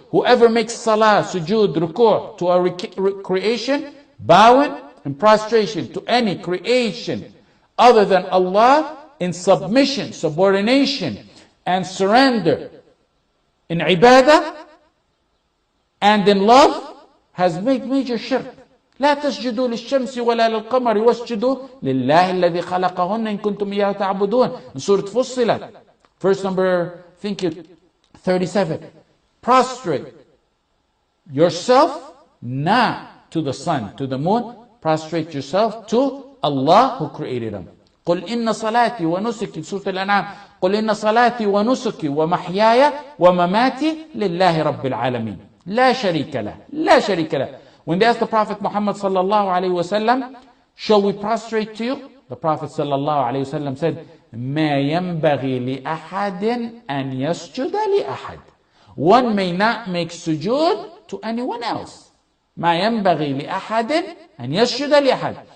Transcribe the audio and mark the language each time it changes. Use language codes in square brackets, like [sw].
[en] Whoever makes salah, sujood, ruku' to a creation, bowing and prostration to any creation other than Allah in submission, subordination, and surrender in ibadah and in love, has made major shirk. [ar] لا تسجدوا للشمس ولا للقمر واسجدوا لله الذي خلقهن إن كنتم إياه تعبدون. سورة فصلت. [en] Verse number, I think it, 37. Prostrate yourself not to the sun, to the moon. Prostrate yourself to Allah who created them. [ar] قل إن صلاتي ونسكي سورة الأنعام قل إن صلاتي ونسكي ومحياي ومماتي لله رب العالمين. لا شريك له لا شريك له. [en] When they asked the Prophet Muhammad sallallahu alayhi wasallam, shall we prostrate to you? The Prophet sallallahu alayhi wasallam said, [ar] ما ينبغي لأحد أن يسجد لأحد. [en] One may not make sujood to anyone else. [ar] ما ينبغي لأحد أن يسجد لأحد.